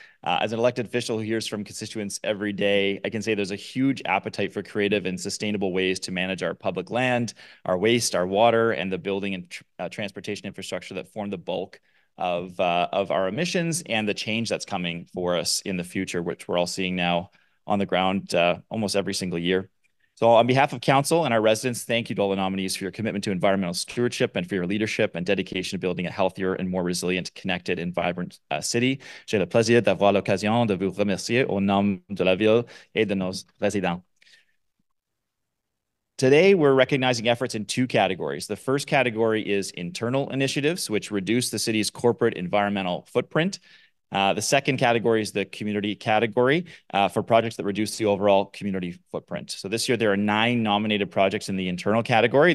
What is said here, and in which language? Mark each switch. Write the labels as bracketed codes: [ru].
[en] As an elected official who hears from constituents every day, I can say there's a huge appetite for creative and sustainable ways to manage our public land, our waste, our water, and the building and transportation infrastructure that form the bulk of our emissions and the change that's coming for us in the future, which we're all seeing now on the ground almost every single year. So on behalf of council and our residents, thank you to all the nominees for your commitment to environmental stewardship and for your leadership and dedication to building a healthier and more resilient, connected and vibrant city. [fr] J'ai le plaisir d'avoir l'occasion de vous remercier au nom de la ville et de nos résidents. [en] Today, we're recognizing efforts in two categories. The first category is internal initiatives, which reduce the city's corporate environmental footprint. The second category is the community category for projects that reduce the overall community footprint. So this year, there are 9 nominated projects in the internal category.